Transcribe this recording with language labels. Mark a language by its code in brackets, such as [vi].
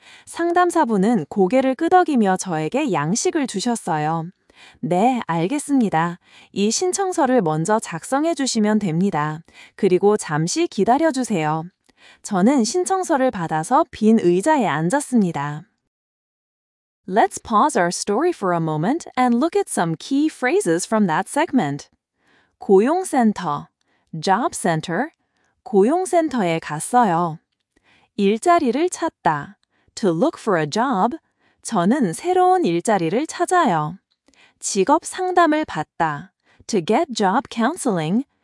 [ko] 상담사분은 고개를 끄덕이며 저에게 양식을 주셨어요. 네, 알겠습니다. 이 신청서를 먼저 작성해 주시면 됩니다. 그리고 잠시 기다려 주세요. 저는 신청서를 받아서 빈 의자에 앉았습니다. [en] Let's pause our story for a moment and look at some key phrases from that segment. [ko] 고용센터, [en] job center, [ko] 고용센터에 갔어요. 일자리를 찾다, [en] to look for a job, [ko] 저는 새로운 일자리를 찾아요. 직업 상담을 받다, [en] to get job counseling,